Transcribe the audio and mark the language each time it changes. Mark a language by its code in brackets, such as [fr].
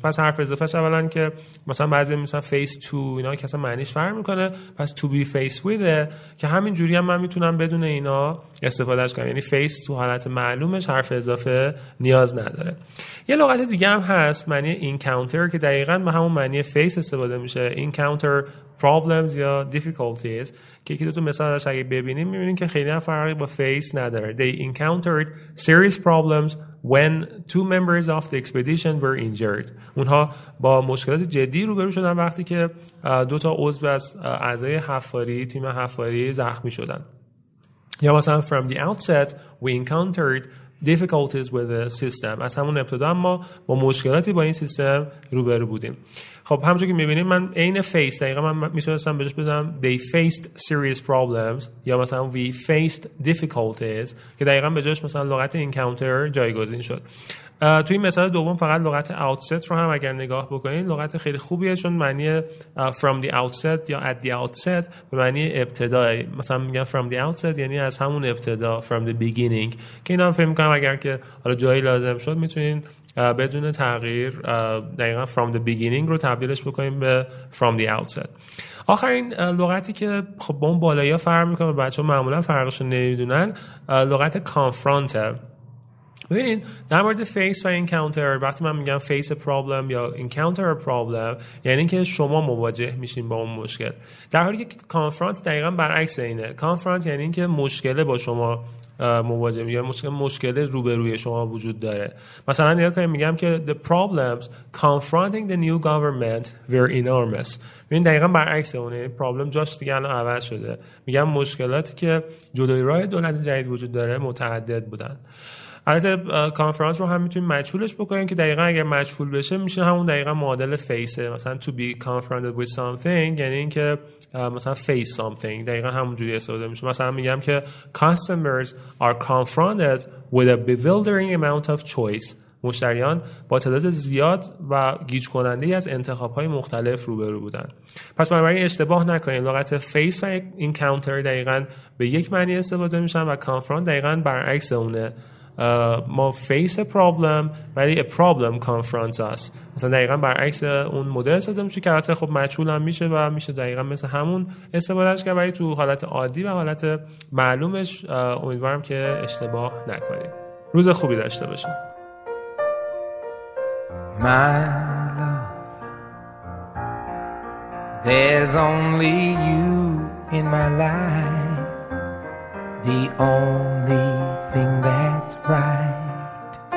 [fa] پس حرف اضافهش اولا که مثلا بعضی مثلا face to اینا که اصلا معنیش فرق میکنه، پس [en] to be faced with [fa] که همین جوری هم من میتونم بدون اینا استفادهش کنم، یعنی face تو حالت معلومش حرف اضافه نیاز نداره. یه لغت دیگه هم هست معنی encounter که دقیقا به همون معنی face استفاده میشه، [en] encounter problems [fa] یا difficulties، که یکی دو تا مثال ازش اگه ببینیم میبینیم که خیلی هم فرقی با face نداره. [en] They encountered serious problems when two members of the expedition were injured. [fa] اونها با مشکلات جدی روبرو شدن وقتی که دو تا عضو از اعضای حفاری تیم حفاری زخمی شدن. یا مثلا [en] from the outset we encountered difficulties with the system. [fa] از همون ابتدا ما با مشکلاتی با این سیستم روبرو بودیم. خب همونجوری که می‌بینید من عین face دقیقا من میتونستم بهش بدم [en] they faced serious problems [fa] یا مثلا [en] we faced difficulties [fa] که دقیقا به جاش مثلا لغت encounter جایگزین شد. توی این مثال دوم فقط لغت outset رو هم اگر نگاه بکنید لغت خیلی خوبیه، چون معنی [en] from the outset [fa] یا [en] at the outset [fa] به معنی ابتدا، مثلا میگم from the outset یعنی از همون ابتدا، [en] from the beginning، [fa] که اینا هم فهم می‌کنم اگر که حالا جایی لازم شد میتونین بدون تغییر دقیقا from the beginning رو تبدیلش بکنیم به from the outset. آخرین لغتی که خب با اون بالایی ها فرق میکنم و بچه ها معمولا فرقش رو نمیدونن لغت confront. ببینید در مورد face و encounter وقتی من میگم [en] face a problem [fa] یا [en] encounter a problem [fa] یعنی که شما مواجه میشین با اون مشکل، در حالی که confront دقیقا برعکس اینه. confront یعنی که مشکله با شما مواجه یا مشکل روبروی شما وجود داره. مثلا یاد کنیم میگم که [en] the problems confronting the new government were enormous. [fa] ببین دقیقا برعکس اونه، problem جاش دیگه الان عوض شده، میگم مشکلاتی که جلوی راه دولت جدید وجود داره متعدد بودن. البته conference رو هم میتونیم مجهولش بکنیم که دقیقا اگر مجهول بشه میشه همون دقیقا معادل face، مثلا [en] to be confronted with something [fa] یعنی این که مثلا [en] face something، [fa] دقیقا همونجوری استفاده میشه. مثلا میگم که [en] customers are confronted with a bewildering amount of choice، [fa] مشتریان با تعداد زیاد و گیج کننده از انتخاب های مختلف روبرو بودن. پس بنابراین اشتباه نکنید، لغت face و encounter دقیقا به یک معنی استفاده میشن و confront دقیقا برعکس اونه. ما [en] face a problem [fa] ولی [en] a problem confronts us، [fa] مثلا دقیقا برعکس اون مدل استفاده میشه که البته خب مجهول هم میشه و میشه دقیقا مثل همون استفادهش کرد، ولی تو حالت عادی و حالت معلومش امیدوارم که اشتباه نکنید. روز خوبی داشته باشید. [en] My love there's only you in my life the only thing that's right